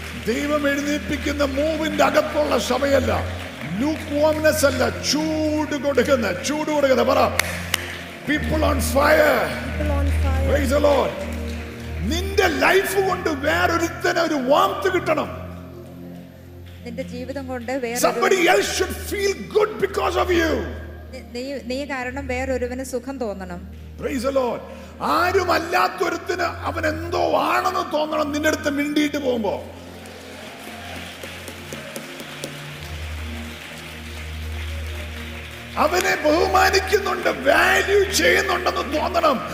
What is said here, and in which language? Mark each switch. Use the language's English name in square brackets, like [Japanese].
[Malayalam] ദൈവം എഴുന്നേൽപ്പിക്കുന്ന മൂവിന്റെ അകത്തുള്ള സഭയല്ല, ലൂക്വാംനെസ് അല്ല, ചൂട് കൊടുക്കുന്ന, ചൂട് കൊടുക്കുന്ന, പറ [English] People on fire. Praise the Lord. [Malayalam] നിന്റെ ലൈഫ് കൊണ്ട് വേറൊരുത്തനെ ഒരു വാംത്ത് കിട്ടണം. നിന്റെ ജീവിതം കൊണ്ട് [English] Somebody else should feel good because of you. [Malayalam] നീ കാരണം വേറൊരുവന് സുഖം തോന്നണം. [English] Praise the Lord. [Malayalam] ആരും അല്ലാത്തൊരുത്തന് അവൻ എന്തോ ആണെന്ന് തോന്നണം നിന്റെ അടുത്ത് മിണ്ടിയിട്ട് പോകുമ്പോ. അവനെ ബഹുമാനിക്കുന്നുണ്ട്, വാല്യൂ ചെയ്യുന്നുണ്ടെന്ന് തോന്നണം.